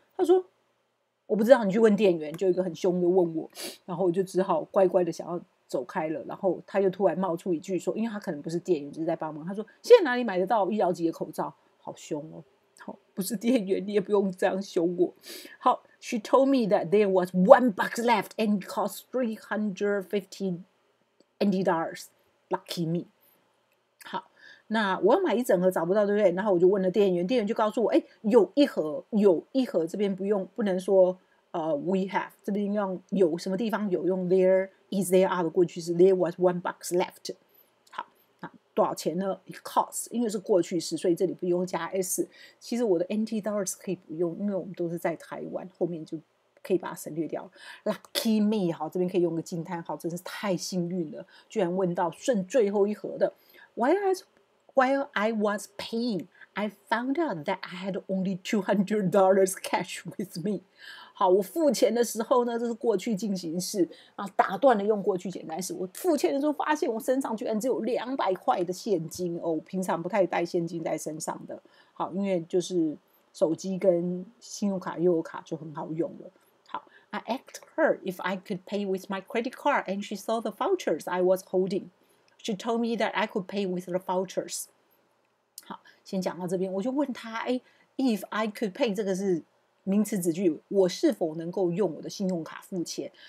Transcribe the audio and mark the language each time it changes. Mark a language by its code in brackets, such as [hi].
[zh] 他说我不知道，你去问店员，就一个很凶的问我，然后我就只好乖乖的想要走开了。然后他又突然冒出一句说，因为他可能不是店员，就是在帮忙，他说现在哪里买得到医疗级的口罩，好凶哦。好，不是店员你也不用这样凶我。 [en] 好， She told me that there was one box left and cost $350. Lucky me。 [zh] 好，那我要买一整盒找不到，对不对？然后我就问了店员，店员就告诉我，哎，有一盒，有一盒，这边不用，不能说we have， 这边用有什么地方有，用 there is there are 的过去式， [en] there was one box left。 [zh] 好，那多少钱呢？ [en] it costs， [zh] 因为是过去式，所以这里不用加 s。其实我的 NT dollars 可以不用，因为我们都是在台湾，后面就可以把它省略掉。 [en] lucky me， [zh] 好，这边可以用个惊叹号，真是太幸运了，居然问到剩最后一盒的。 [en] while I was paying I found out that I had only $200 cash with me。 [zh] 好，我付钱的时候呢，这是过去进行式，然后打断了用过去简单时，我付钱的时候发现我身上居然只有$200的现金哦。我平常不太带现金在身上的，好，因为就是手机跟信用卡又有卡就很好用了。 [en] 好， I asked her if I could pay with my credit card and she saw the vouchers I was holding. She told me that I could pay with the vouchers。 [zh] 好，先讲到这边，我就问她，哎， [en] if I could pay [zh] 这个是名词子句，我是否能够用我的信用卡付钱。